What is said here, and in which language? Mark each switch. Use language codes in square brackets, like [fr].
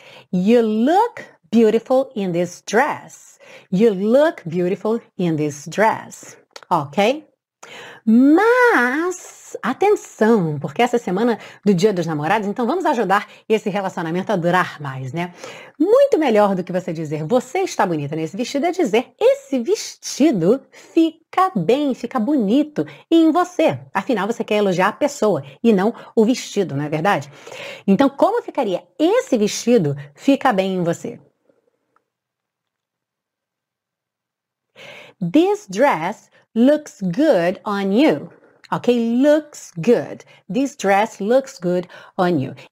[en] You look beautiful in this dress. You look beautiful in this dress. Ok? [pt] Mas, atenção, porque essa semana do Dia dos Namorados, então vamos ajudar esse relacionamento a durar mais, né? Muito melhor do que você dizer, você está bonita nesse vestido, é dizer, esse vestido fica bem, fica bonito em você. Afinal, você quer elogiar a pessoa e não o vestido, não é verdade? Então, como ficaria esse vestido fica bem em você? [en] This dress looks good on you. Ok? Looks good. This dress looks good on you.